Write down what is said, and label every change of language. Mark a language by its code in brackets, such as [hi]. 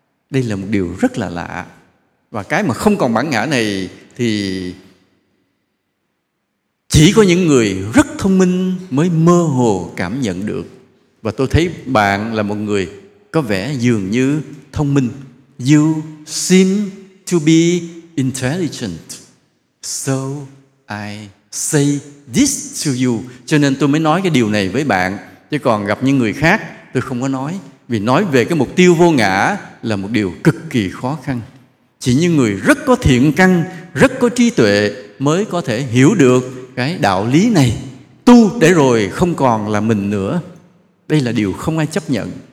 [vi] Đây là một điều rất là lạ. Và cái mà không còn bản ngã này thì chỉ có những người rất thông minh mới mơ hồ cảm nhận được. Và tôi thấy bạn là một người có vẻ dường như thông minh. [en] You seem to be intelligent, so I say this to you. [vi] Cho nên tôi mới nói cái điều này với bạn. Chứ còn gặp những người khác tôi không có nói. Vì nói về cái mục tiêu vô ngã là một điều cực kỳ khó khăn. Chỉ những người rất có thiện căn, rất có trí tuệ mới có thể hiểu được cái đạo lý này. Tu để rồi không còn là mình nữa. Đây là điều không ai chấp nhận.